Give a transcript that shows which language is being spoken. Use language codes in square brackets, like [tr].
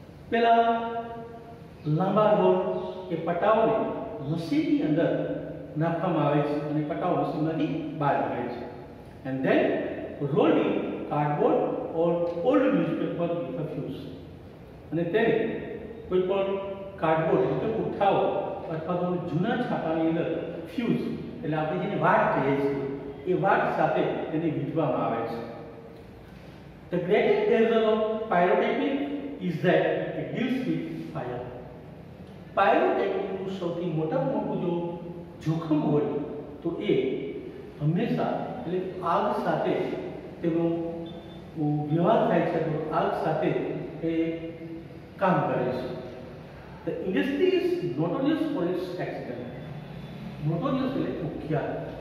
[gu] પેલા લાંબા રોલ કે પટાઓને મશીનની અંદર નાખવામાં આવે છે અને પટાઓ મશીનમાંથી બહાર નીકળે છે [en] and then rolled in cardboard or old newspaper with a fuse [gu] અને તેને કોઈ પણ કાર્ડબોર્ડ એટલે પુઠ્ઠાઓ અથવા તો જૂના છાપાની અંદર ફ્યુઝ એટલે આપણે જેને વાટ કહીએ છીએ એ વાટ સાથે તેને વીંટવામાં આવે છે. [en] The greatest danger of pyrotechnic is that it deals with fire. [gu] પાયરોટેકનું સૌથી મોટામાં મોટું જો જોખમ હોય તો એ હંમેશા એટલે આગ સાથે તેનો વ્યવહાર થાય છે, તો આગ સાથે એ કામ કરે છે. [en] The industry is notorious for its accident. [gu] Notorious એટલે કુખ્યાત.